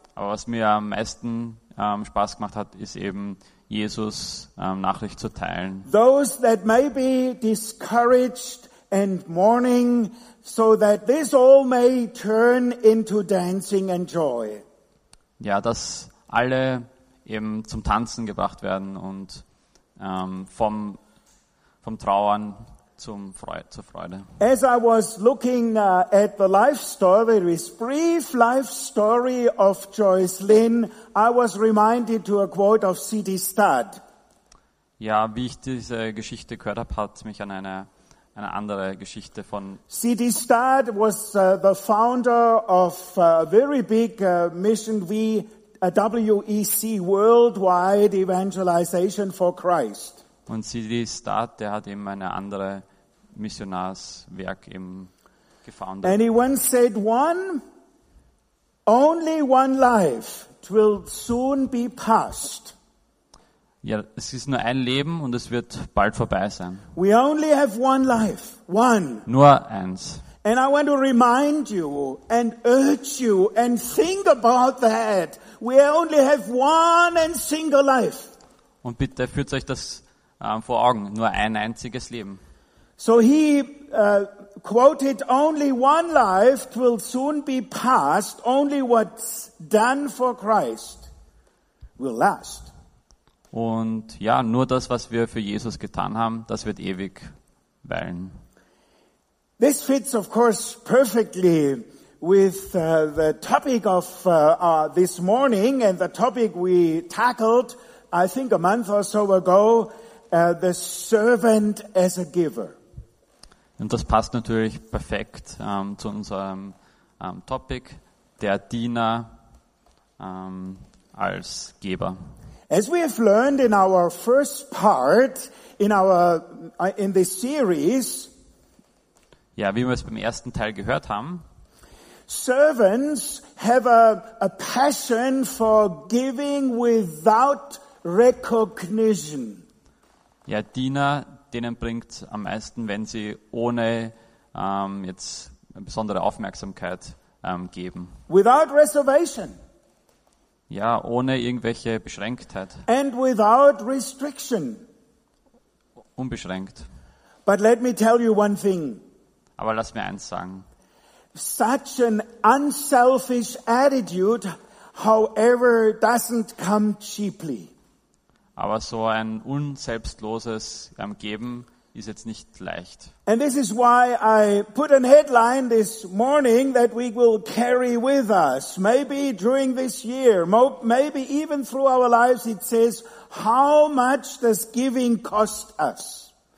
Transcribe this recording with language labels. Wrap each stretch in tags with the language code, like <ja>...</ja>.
<de>Aber was mir am meisten Spaß gemacht hat, ist eben Jesus Nachricht zu teilen.</de> <en>Those that may be discouraged and mourning, so that this all may turn into dancing and joy.</en> <de>Ja, dass alle eben zum Tanzen gebracht werden und vom Trauern zur Freude.</de> <en>As I was looking at the life story, this brief life story of Joyce Lynn, I was reminded to a quote of C.D. Studd.</en> <de>Ja, wie ich diese Geschichte gehört habe, hat mich an eine andere Geschichte von C.D.</de> <en>Studd was the founder of a very big mission WEC, Worldwide Evangelization for Christ.</en> <de>Und C.D. Studd, der hat eben eine andere Missionarswerk eben gefoundet.</de> <en>And he once said, one, only one life, it will soon be past.</en> <de>Ja, es ist nur ein Leben und es wird bald vorbei sein.</de> <en>We only have one life, one.</en> <de>Nur eins.</de> <en>And I want to remind you and urge you and think about that. We only have one and single life.</en> <de>Und bitte führt euch das vor Augen, nur ein einziges Leben.</de> <en>So he quoted, only one life will soon be passed, only what's done for Christ will last.</en> <de>Und ja, nur das, was wir für Jesus getan haben, das wird ewig weilen.</de> <en>This fits of course perfectly with the topic of this morning and the topic we tackled, I think a month or so ago, the servant as a giver.</en> <de>Und das passt natürlich perfekt zu unserem Topic, der Diener als Geber.</de> <en>As we have learned in our first part in this series,</en> <de>ja, wie wir es beim ersten Teil gehört haben,</de> <en>servants have a passion for giving without recognition.</en> <de>Ja, Diener, denen bringt am meisten, wenn sie ohne jetzt besondere Aufmerksamkeit geben.</de> <en>Without reservation.</en> <de>Ja, ohne irgendwelche Beschränktheit.</de> <en>And without restriction.</en> <de>Unbeschränkt.</de> <en>But let me tell you one thing.</en> <de>Aber lass mir eins sagen.</de> <en>Such an unselfish attitude, however, doesn't come cheaply.</en> <de>Aber so ein unselbstloses Geben ist jetzt nicht leicht.</de> <en>And this is why I put an headline this morning that we will carry with us. Maybe during this year, maybe even through our lives, it says, how much does giving cost us?</en>